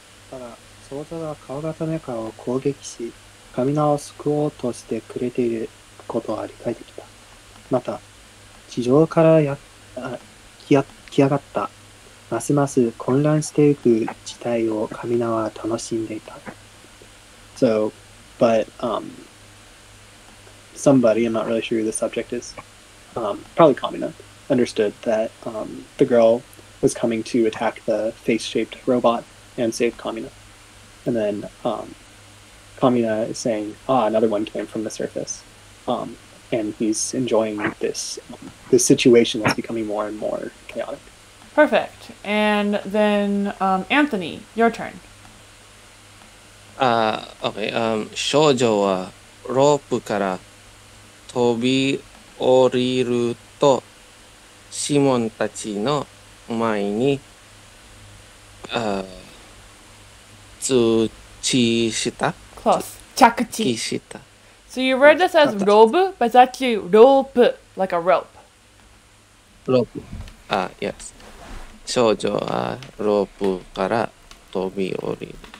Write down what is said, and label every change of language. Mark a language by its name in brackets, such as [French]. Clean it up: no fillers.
[Japanese] ただ早田が顔型メカを攻撃し、神縄を救おうとしてくれていることは理解できた。また、地上からや、あ、き、や、き上がった、ますます混乱していく事態を神縄は楽しんでいた。 [English] So, but somebody, I'm not really sure who the subject is, probably Kamina, understood that the girl was coming to attack the face-shaped robot and save Kamina. And then Kamina is saying, ah, another one came from the surface. And he's enjoying this, this situation that's becoming more and more chaotic. Perfect. And then, Anthony, your turn. [Japanese] Okay, 少女はロープから飛び降りると、シモンたちの前に、通知した。 [English] Close. 着 [Japanese] 通地。知した。 [English] So you read this as robe, but it's actually rope, like a rope. [Japanese] ロープ。 [English] yes. [Japanese] 少女はロープから飛び降りる。